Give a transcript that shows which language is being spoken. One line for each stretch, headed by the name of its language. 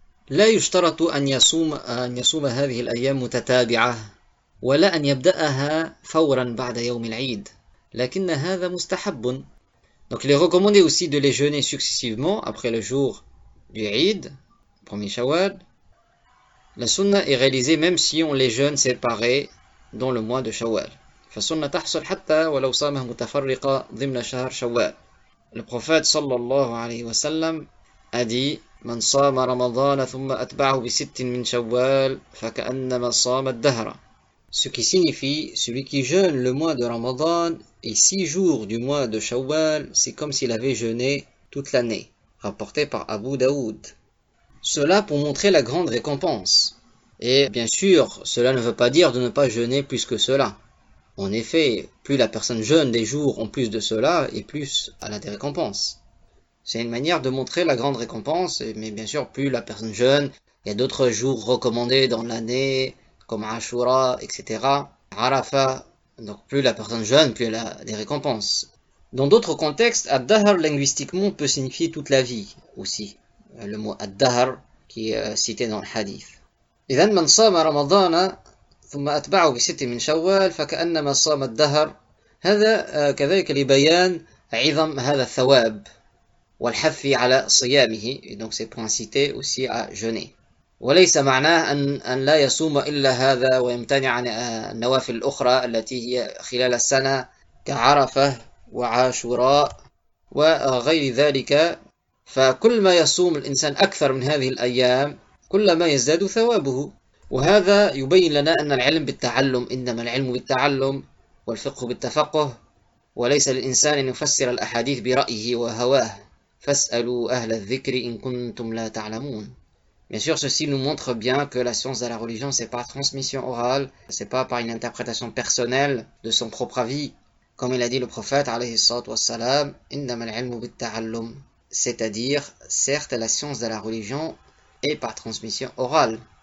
Arabic: لا يشترط أن يصوم هذه الأيام متتابعة ولا أن يبدأها فورا بعد يوم العيد. لكن هذا مستحب.
French: Donc il est recommandé aussi de les jeûner successivement après le jour du Eid, premier Shawwal. La sunna est réalisée même si on les jeûne séparés dans le mois de Shawwal.
Arabic: فالسنة تحصل حتى ولو صامها متفرقة ضمن شهر شوال.
French: Le prophète sallallahu alayhi wa sallam a dit
Arabic: من صام رمضان ثم أتبعه بست من شوال فكأنما صام الدهر.
French: Ce qui signifie, celui qui jeûne le mois de Ramadan et 6 jours du mois de Shawwal, c'est comme s'il avait jeûné toute l'année, rapporté par Abu Daoud. Cela pour montrer la grande récompense. Et bien sûr, cela ne veut pas dire de ne pas jeûner plus que cela. En effet, plus la personne jeûne des jours en plus de cela, et plus elle a des récompenses. C'est une manière de montrer la grande récompense, mais bien sûr, plus la personne jeûne, il y a d'autres jours recommandés dans l'année, comme Ashura, etc. Arafa, donc plus la personne jeûne, plus elle a des récompenses. Dans d'autres contextes, Ad-Dahr linguistiquement peut signifier toute la vie aussi. Le mot Ad-Dahr qui est cité dans le hadith.
Arabic: إذن من صام رمضان ثم أتبعه بست من شوال فكأنما صام الدهر. هذا كذلك لبيان عظم هذا الثواب والحث على صيامه.
French: Et donc c'est pour inciter aussi à jeûner.
Arabic: وليس معناه أن لا يصوم إلا هذا ويمتنع عن النوافل الأخرى التي هي خلال السنة كعرفة وعاشوراء وغير ذلك. فكل ما يصوم الإنسان أكثر من هذه الأيام كلما يزداد ثوابه. وهذا يبين لنا أن العلم بالتعلم، إنما العلم بالتعلم والفقه بالتفقه، وليس للإنسان أن يفسر الأحاديث برأيه وهواه. فاسألوا أهل الذكر إن كنتم لا تعلمون.
French: Bien sûr, ceci nous montre bien que la science de la religion, c'est par transmission orale, c'est pas par une interprétation personnelle de son propre avis. Comme il a dit le prophète, alayhi salatu wassalam,
Arabic: innama al-ilmu bit-ta'allum.
French: C'est-à-dire, certes, la science de la religion est par transmission orale.